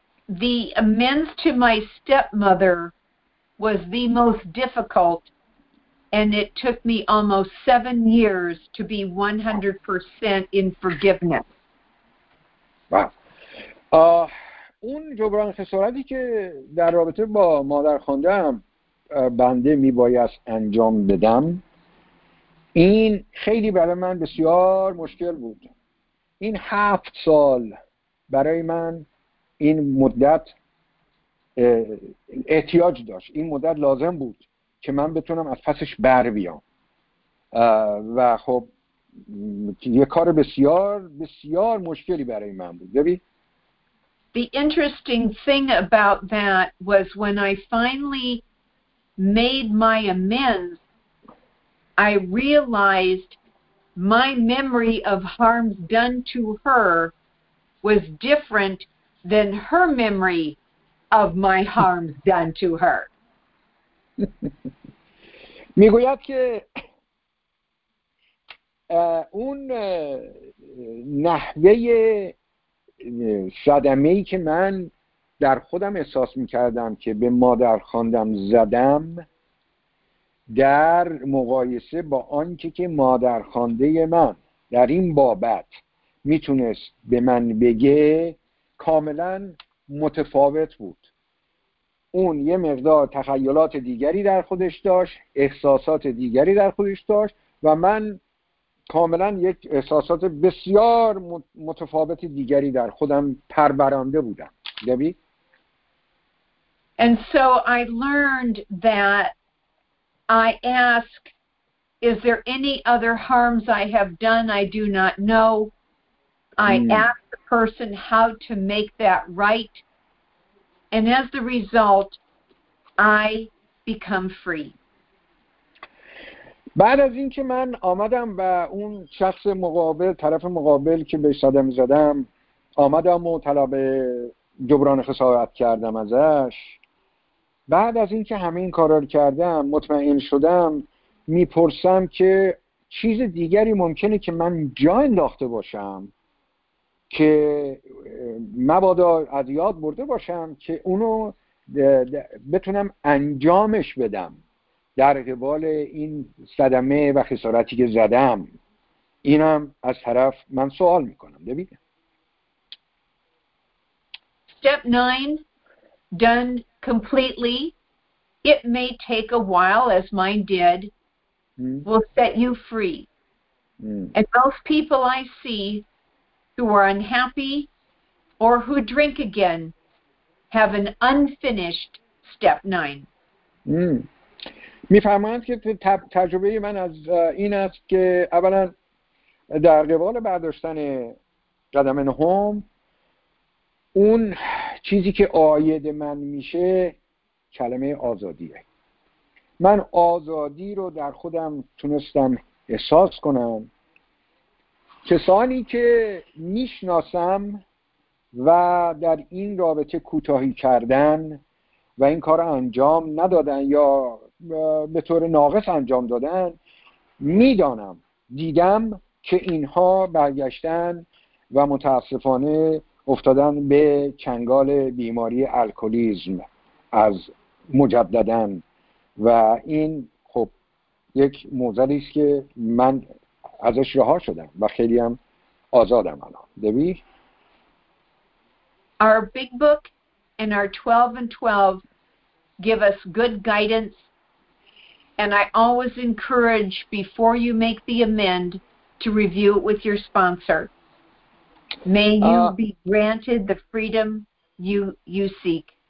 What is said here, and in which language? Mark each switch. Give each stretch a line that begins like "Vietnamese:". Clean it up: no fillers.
English: The amends to my stepmother was the most difficult, and it took me almost 7 years to be 100% in forgiveness. Wow.
Persian: اون جبران خسارتی که در رابطه با مادر خواندم بنده میبایست انجام بدم، این خیلی برای من بسیار مشکل بود. این 7 سال برای من این مدت احتیاج داشت، این مدت لازم بود که من بتونم از پسش بر بیام و خب یه کار بسیار بسیار مشکلی برای من بود. ببین
English: The interesting thing about that was when I finally made my amends, I realized my memory of harms done to her was different than her memory of my harm done to her.
Persian: میگوید که اون نحوه صدمه ای که من در خودم احساس میکردم که به مادر خواندم زدم، در مقایسه با آنکه که مادر خوانده من در این بابت میتونست به من بگه کاملا متفاوت بود. اون یه مقدار تخیلات دیگری در خودش داشت، احساسات دیگری در خودش داشت و من کاملا یک احساسات بسیار متفاوت دیگری در خودم پرورانده بودم. دبی؟
English: And so I learned that I ask, is there any other harms I have done I do not know? I ask the person how to make that right, and as the result, I become free.
Persian: بعد از اینکه من آمدم و اون شخص مقابل، طرف مقابل که بهش صدمه زدم، آمدم و طلب جبران خسارت کردم ازش، بعد از اینکه همه این کارا رو کردم، مطمئن شدم، میپرسم که چیز دیگری ممکنه که من جا انداخته باشم که مبادا از یاد برده باشم که اونو بتونم انجامش بدم در قبال این صدمه و خسارتی که زدم. اینم از طرف من سوال میکنم. ببینید
English: Step 9 done completely. It may take a while, as mine did, will set you free. And most people I see who are unhappy or who drink again have an unfinished step 9.
Persian: میفهمند که تجربه من از این است که اولا در قبال برداشتن قدم نهم، اون چیزی که عاید من میشه کلمه آزادیه. من آزادی رو در خودم تونستم احساس کنم. کسانی که میشناسم و در این رابطه کوتاهی کردن و این کار انجام ندادن یا به طور ناقص انجام دادن، میدانم، دیدم که اینها برگشتن و متاسفانه افتادن به چنگال بیماری الکلیزم از مجددن، و این خب یک موزلی است که من ازش رها شدم و خیلی هم آزادم الان. دبی؟
English: Our big book and our 12 and 12 give us good guidance, and I always encourage before you make the amend to review it with your sponsor. May you be granted the freedom you seek.